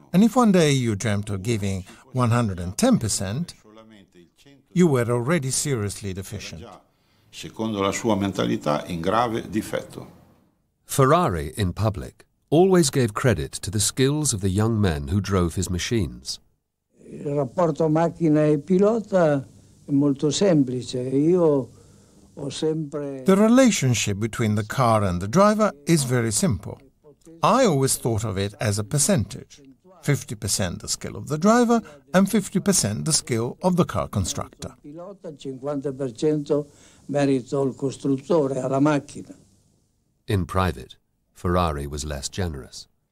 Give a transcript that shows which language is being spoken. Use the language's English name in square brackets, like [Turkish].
[English] And if one day you dreamt of giving 110%, You were already seriously deficient. [Italian] Secondo la sua mentalità, in grave difetto. [English] Ferrari, in public, always gave credit to the skills of the young men who drove his machines. [Italian] Il rapporto macchina e pilota è molto semplice. Io ho sempre... [English] The relationship between the car and the driver is very simple. I always thought of it as a percentage. 50% the skill of the driver and 50% the skill of the car constructor. In private, Ferrari was less generous.